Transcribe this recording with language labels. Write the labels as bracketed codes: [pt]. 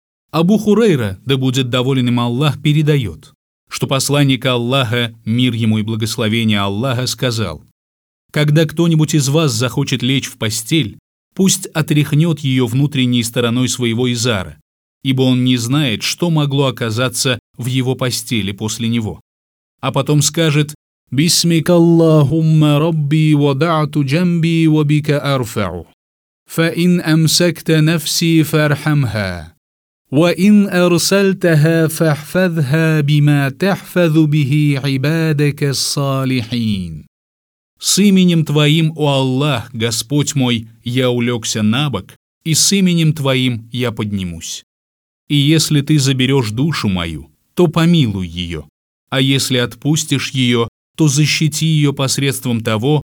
[ru] Абу Хурейра, да будет доволен им Аллах, передает, что посланник Аллаха, мир ему и благословение Аллаха, сказал: когда кто-нибудь из вас захочет лечь в постель, пусть отряхнет ее внутренней стороной своего изара, ибо он не знает, что могло оказаться в его постели после него. А потом скажет: [ar] بسمك اللهم ربي وضعت جنبي وبك أرفع فإن أمسكت نفسي فارحمها وإن أرسلتها فاحفظها بما تحفظ به عبادك الصالحين. [ru] С именем Твоим, о Аллах, Господь мой, я улегся на бок, и с именем Твоим я поднимусь. И если Ты заберешь душу мою, то помилуй ее, а если отпустишь ее, то защити ее посредством того,